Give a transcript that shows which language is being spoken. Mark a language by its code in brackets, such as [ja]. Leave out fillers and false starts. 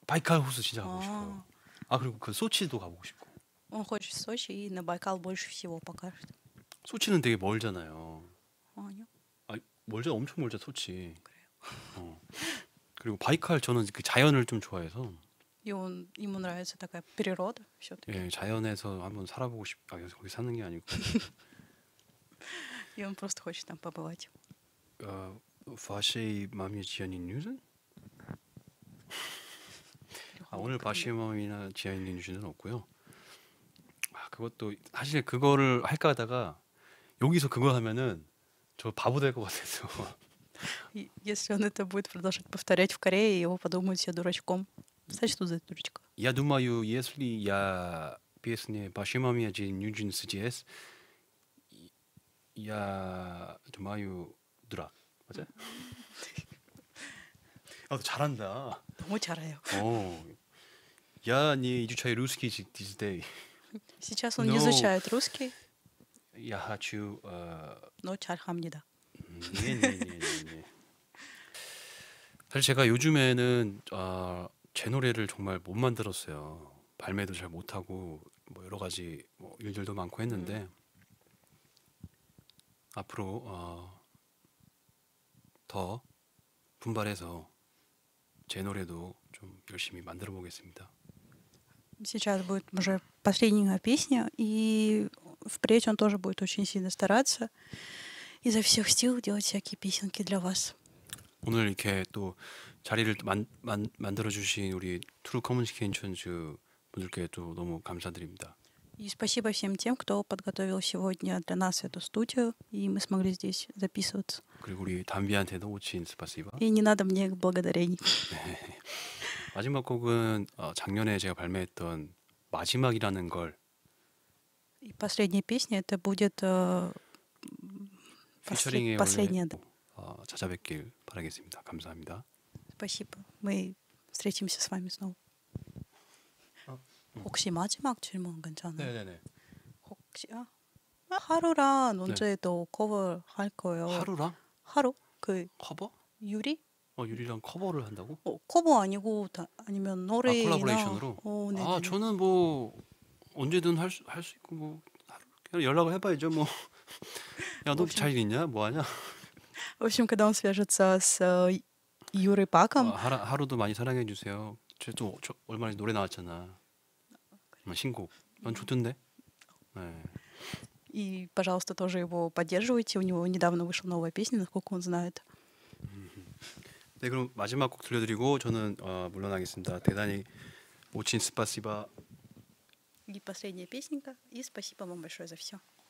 [ko] 바이칼 호수 진짜 가고 싶어요. 아, 그리고 그 소치도 가보고 싶고. [ru] Он хочет в Сочи и на Байкал больше всего покажет. [ko] Сочи는 되게 멀잖아요. 아니요. 아, 멀죠. 엄청 멀죠, 소치. 그래요. 그리고 바이칼 저는 그 자연을 좀 좋아해서. 이건 이문 라에서 [ru] такая природа. [ko] 예, 자연에서 한번 살아보고 싶. 아, 거기 사는 게 아니고. [ru] 이건 просто хочет там побывать. [ko] 어, 바시 마미 지연이 뉴스? 아, 오늘 바시 마미나 지연이 뉴스는 없고요. 그것도 사실 그거를 할까 하다가 여기서 그거 하면은 저 바보 될 것 같아서. [ru] Если он это будет продолжать повторять в Корее, его подумают себя дурачком. Сочтут за дурачка. Я думаю, если я песни Башимамия Джин Ньюджин СДС, я думаю, дурак. [ko] 맞아? 아, 잘한다. 너무 잘해요. 오. [ru] Я не изучаю русский [en] these days. [ru] Сейчас он не изучает русский. Я хочу... [ko] Но чархамнида. [ru] Не-не-не-не-не. [ko] 사실 제가 요즘에는 제 노래를 정말 못 만들었어요. 발매도 잘 못하고 뭐 여러 가지 뭐 일들도 많고 했는데 앞으로 더 분발해서 제 노래도 좀 열심히 만들어 보겠습니다. [ru] Сейчас будет уже последняя песня, и впредь он тоже будет очень сильно стараться изо всех сил делать всякие песенки для вас. [ko] 오늘 이렇게 또 자리를 만들어 주신 우리 True Communications 분들께 또 너무 감사드립니다. [ru] И спасибо всем тем, кто подготовил сегодня для нас эту студию, и мы смогли здесь записываться. [ko] 그리고 우리 담비한테도 [ru] очень спасибо. И не надо мне благодарений. [ko] 마지막 곡은 작년에 제가 발매했던 마지막이라는 걸. [ru] И последняя песня это будет последняя. [ko] 찾아뵙길 바라겠습니다. 감사합니다. [ru] Спасибо. Мы встретимся с вами снова. [ko] 혹시 마지막 질문 괜찮아요? 네네네. 혹시 하루랑 언제도 네. 커버할 거예요? 하루랑? 하루? 그 커버? 유리? 유리랑 커버를 한다고? 커버 아니고 아니면 노래 콜라보레이션으로? 네. 아 저는 뭐 언제든 할 수 있고 뭐 그냥 연락을 해봐야죠 뭐. 야 너 잘 있냐? 뭐 하냐? [ru] В общем, когда он свяжется с Юрой Паком. [ko] 하루도 많이 사랑해 주세요. 제가 또 얼마 전에 노래 나왔잖아. 신곡. 난 좋던데. 네. [ru] И, пожалуйста, тоже его поддерживайте. У него недавно вышла новая песня, насколько он знает. [ko] 네, 그럼 마지막 곡 들려드리고 저는 물러나겠습니다. [ru] 대단히 очень спасибо. И последняя песенка. И спасибо вам большое за все.